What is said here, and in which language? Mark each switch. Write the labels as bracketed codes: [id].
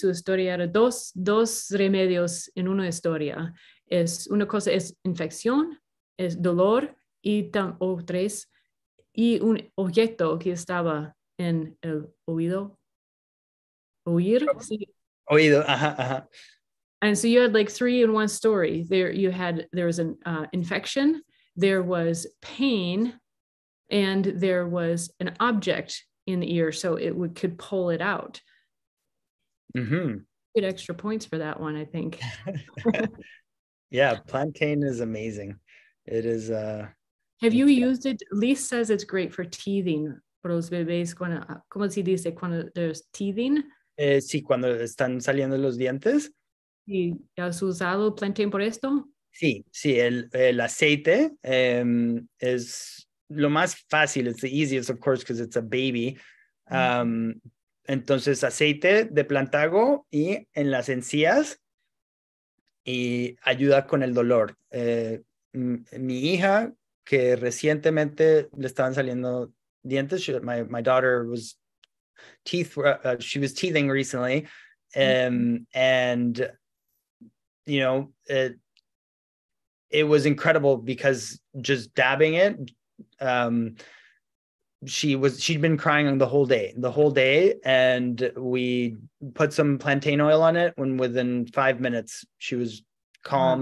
[es] Su historia era dos remedios en una historia. Es una cosa es infección, es dolor y tres y un objeto que estaba en el oído. Oír, sí. Oído, ajá. [en] And so you had like three in one story. There was an infection, there was pain, and there was an object in the ear so it could pull it out. Mm-hmm. Good extra points for that one, I think. Yeah, plantain is amazing. It is used it? Lise says it's great for teething. [es] Para los bebés, ¿cómo se dice cuando [en] there's teething? [es] Sí, cuando están saliendo los dientes. ¿Y has usado plantain por esto? Sí, sí, el aceite es lo más fácil. [en] It's the easiest, of course, because it's a baby. Mm-hmm. [es] Entonces, aceite de plantago y en las encías y ayuda con el dolor. Mi hija, que recientemente le estaban saliendo dientes, [en] my daughter was she was teething recently, and you know, it was incredible because just dabbing it, she'd been crying the whole day, and we put some plantain oil on it, and within 5 minutes she was calm.